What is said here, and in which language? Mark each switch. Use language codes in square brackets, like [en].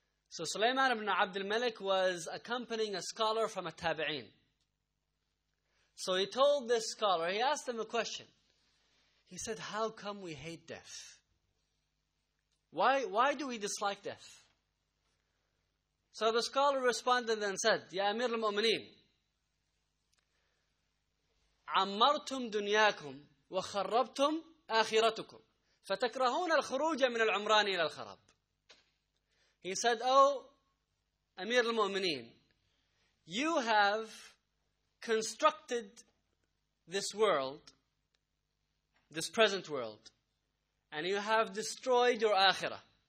[en] So Sulaiman ibn Abd al-Malik was accompanying a scholar from a tabi'in. So he told this scholar, he asked him a question. He said, how come we hate death? Why do we dislike death? So the scholar responded and said, [ar] Ya Amir al-Mu'mineen, عَمَّرْتُمْ دُنْيَاكُمْ وَخَرَّبْتُمْ آخِرَتُكُمْ فَتَكْرَهُونَ الْخُرُوجَ مِنَ الْعُمْرَانِ إِلَى الْخَرَبِ. [en] He said, oh, Amir al-Mu'mineen, you have constructed this world, this present world, and you have destroyed your akhirah.